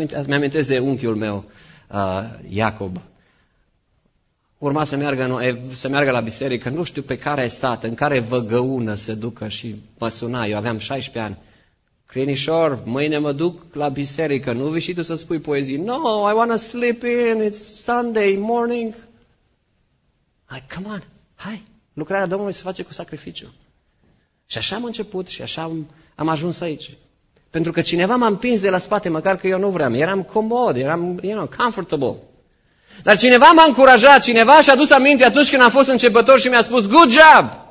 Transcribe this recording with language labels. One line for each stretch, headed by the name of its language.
Romanian: Mi-amintesc de unchiul meu, Iacob. Urma să meargă la biserică, nu știu pe care sat, în care văgăună se ducă și mă suna. Eu aveam 16 ani. Crinișor, mâine mă duc la biserică, nu vii și tu să spui poezii.
English: No, I want to sleep in, it's Sunday morning. Come on,
Romanian: hai, lucrarea Domnului se face cu sacrificiu. Și așa am început și așa am ajuns aici. Pentru că cineva m-a împins de la spate, măcar că eu nu vreau. Eram comod, eram,
English: you know, comfortable.
Romanian: Dar cineva m-a încurajat, cineva și-a dus aminte atunci când am fost începător și mi-a spus,
English: good job!